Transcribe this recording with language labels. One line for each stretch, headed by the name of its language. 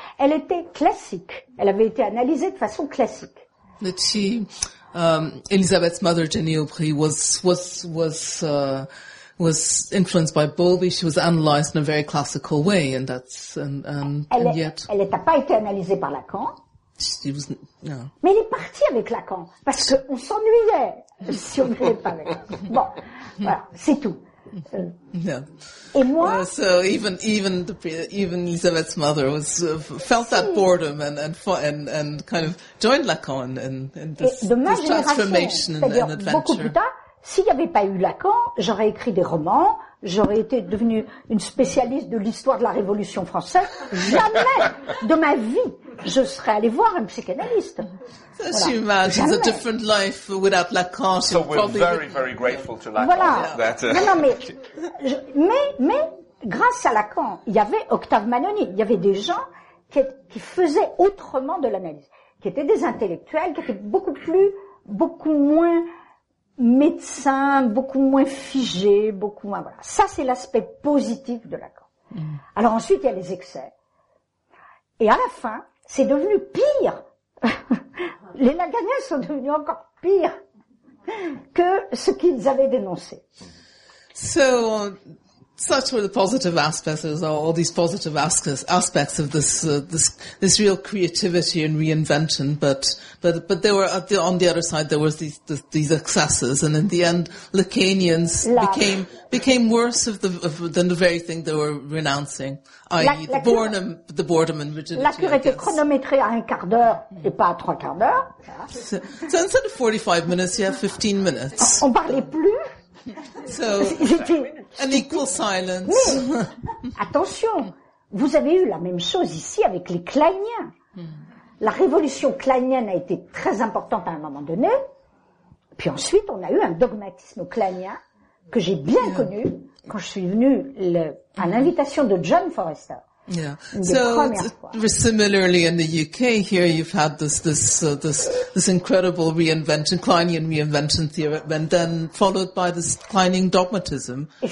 French: Elle était classique. Elle avait été analysée de façon classique.
English: But she, Elizabeth's mother, Jenny Aubry, was influenced by Bowlby. She was analyzed in a very classical way, and that's
French: Elle n'a pas été analysée par Lacan.
English: She was.
French: Mais elle est partie avec Lacan parce qu'on s'ennuyait si on n'allait pas avec. Bon, voilà, c'est tout.
English: Yeah.
French: Et moi,
English: so even Elisabeth's mother felt that boredom and kind of joined Lacan in this transformation and adventure.
French: Beaucoup plus tard, s'il n'y avait pas eu Lacan, j'aurais écrit des romans, j'aurais été devenue une spécialiste de l'histoire de la Révolution française. Jamais de ma vie. Je serais allée voir un psychanalyste.
English: So voilà. She imagines a different life without Lacan. So we're very, very grateful to Lacan.
French: Voilà.
English: That,
French: mais grâce à Lacan, il y avait Octave Manoni. Il y avait des gens qui faisaient autrement de l'analyse, qui étaient des intellectuels, qui étaient beaucoup moins médecins, beaucoup moins figés, beaucoup moins. Voilà. Ça, c'est l'aspect positif de Lacan. Mm. Alors ensuite, il y a les excès. Et à la fin. C'est devenu pire. Les Lacaniens sont devenus encore pire que ce qu'ils avaient dénoncé.
English: So, such were the positive aspects, all these positive aspects of this real creativity and reinvention. But there were on the other side there was these excesses, and in the end, Lacanians became worse than the very thing they were renouncing, i.e. the boredom and rigidity.
French: La cure était chronométrée à un quart d'heure et pas à trois quarts d'heure.
English: So instead of 45 minutes, you have 15 minutes.
French: On parlait plus.
English: So, an equal silence.
French: Mais, attention, vous avez eu la même chose ici avec les Kleiniens. La révolution kleinienne a été très importante à un moment donné, puis ensuite on a eu un dogmatisme kleinien que j'ai bien connu quand je suis venue à l'invitation de John Forrester.
English: Similarly in the UK here, you've had this incredible reinvention, Kleinian reinvention theory, and then followed by this Kleinian dogmatism.